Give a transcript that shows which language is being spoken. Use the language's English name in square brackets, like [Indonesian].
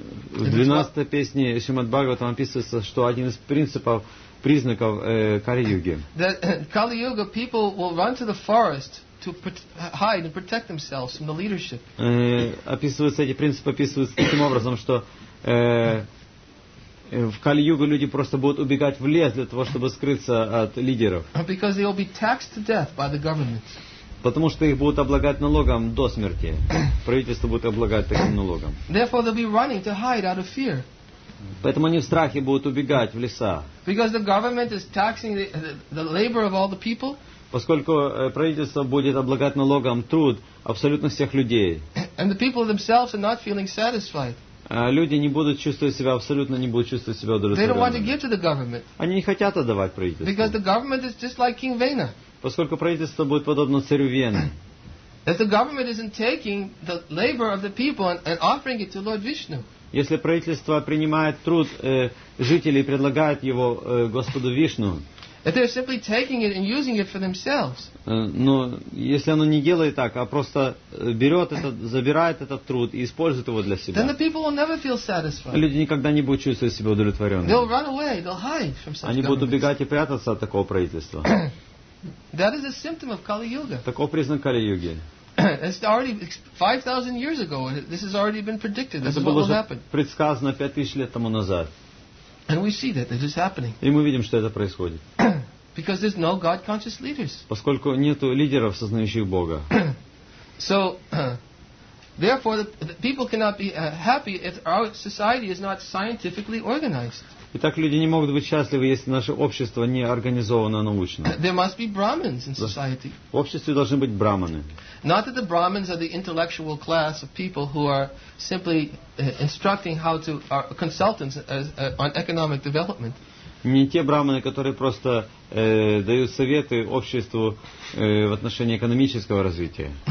[Russian] В 12-й песне Шримад Бхагаватам описывается, что один из принципов, признаков Кали-юги. [English] Кали-юга, people will run to the forest to hide and protect themselves from the leadership. [Russian] Описываются эти принципы, описываются таким образом, что в Кали-югу люди просто будут убегать в лес для того, чтобы скрыться от лидеров. [English] Because they will be taxed to death by the government. [Russian] Потому что их будут облагать налогом до смерти. Правительство будет облагать таким налогом. [English] Therefore, they'll be running to hide out of fear. [Russian] Поэтому они в страхе будут убегать в леса. [English] Because the government is taxing the labor of all the people. [Russian] Поскольку правительство будет облагать налогом труд абсолютно всех людей. [English] And the people themselves are not feeling satisfied. [Russian] Люди не будут чувствовать себя, абсолютно не будут чувствовать себя удовлетворенными. [English] They don't want to give to the government. [Russian] Они не хотят отдавать правительству. [English] Because the government is just like King Vena. [Russian] Поскольку правительство будет подобно царю Вене. [English] If the government isn't taking the labor of the people and offering it to Lord Vishnu. [Russian] Если правительство принимает труд жителей и предлагает его Господу Вишну. [English] If they're simply taking it and using it for themselves. [Russian] Но если оно не делает так, а просто берет этот, забирает этот труд и использует его для себя. [English] Then the people will never feel satisfied. [Russian] Люди никогда не будут чувствовать себя удовлетворенными. [English] They'll run away, they'll hide from such. [Russian] Они будут убегать и прятаться от такого правительства. [English] That is a symptom of Kali Yuga. [Russian] Таков признак Кали Юги. [English] It's already 5,000 years ago. This has already been predicted. This is what will happen. [Russian] Предсказано 5000 лет тому назад. [English] And we see that it is happening. [Russian] И мы видим, что это происходит. [English] Because there's no God-conscious leaders. [Russian] Поскольку нету лидеров, сознающих Бога. [English] So, therefore, the people cannot be happy if our society is not scientifically organized. [Russian] Итак, люди не могут быть счастливы, если наше общество не организовано научно. [English] There must be Brahmins in society. [Russian] В обществе должны быть брахманы. [English] Not that the Brahmins are the intellectual class of people who are simply instructing how to are consultants on economic development. [Russian] Не те брахманы, которые просто дают советы обществу в отношении экономического развития.